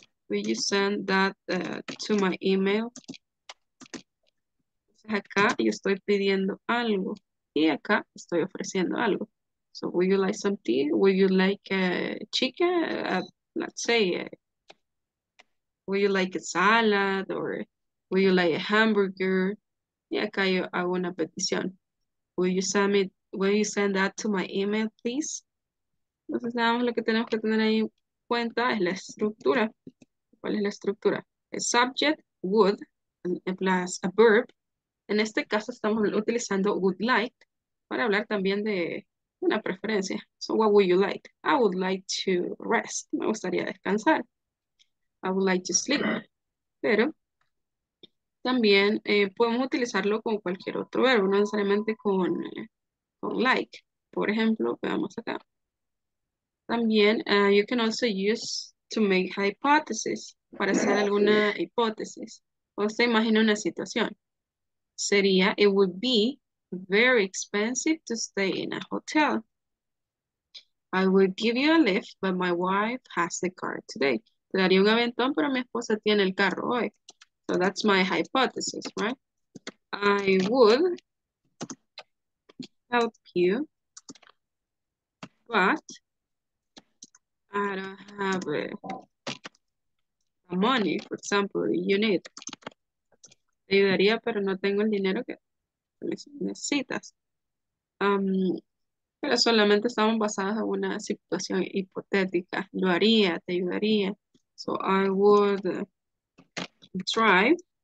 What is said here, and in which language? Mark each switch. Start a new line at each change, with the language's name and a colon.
English: Will you send that to my email?
Spanish: Acá yo estoy pidiendo algo y acá estoy ofreciendo algo.
English: So, will you like some tea? Will you like chicken? Let's say, will you like a salad or will you like a hamburger? Y acá yo hago una petición. Will you send me, will you send that to my email, please?
Spanish: Entonces, nada más lo que tenemos que tener ahí en cuenta es la estructura. ¿Cuál es la estructura? El subject, would, plus a verb. En este caso estamos utilizando would like para hablar también de una preferencia. So what would you like?
English: I would like to rest. Me gustaría descansar. I would like to sleep.
Spanish: Pero también podemos utilizarlo con cualquier otro verbo, no necesariamente con like. Por ejemplo, veamos acá. También you can also use to make hypothesis, para hacer alguna hipótesis.
English: Usted imagina una situación. Sería, it would be very expensive to stay in a hotel. I would give you a lift, but my wife has the car today.
Spanish: Te daría un aventón, pero mi esposa tiene el carro hoy.
English: So that's my hypothesis, right? I would help you, but I don't have the money, for example, you need.
Spanish: Te ayudaría, pero no tengo el dinero que necesitas. Pero solamente estamos basados en una situación hipotética. Lo haría, te ayudaría. So I would try.